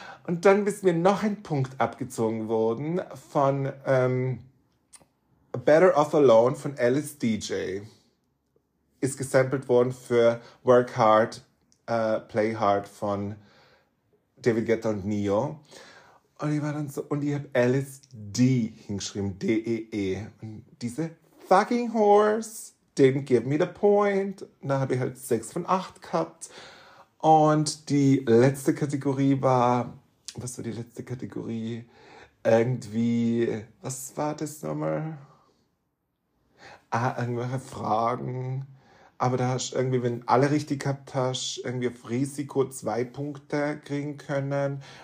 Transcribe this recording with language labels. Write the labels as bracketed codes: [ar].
[de] Und dann ist mir noch ein Punkt abgezogen worden von Better Off Alone von Alice DJ. Ist gesampelt worden für Work Hard, Play Hard von David Guetta und Neo. Und ich war dann so, und ich hab Alice D hingeschrieben, D-E-E. Und diese [en] fucking horse didn't give me the point. [de] Und dann habe ich halt 6 von 8 gehabt. Und die letzte Kategorie war, was war die letzte Kategorie? Irgendwie, was war das nochmal? Ah, irgendwelche Fragen. Aber da hast du irgendwie, wenn alle richtig gehabt hast, irgendwie auf Risiko 2 Punkte kriegen können.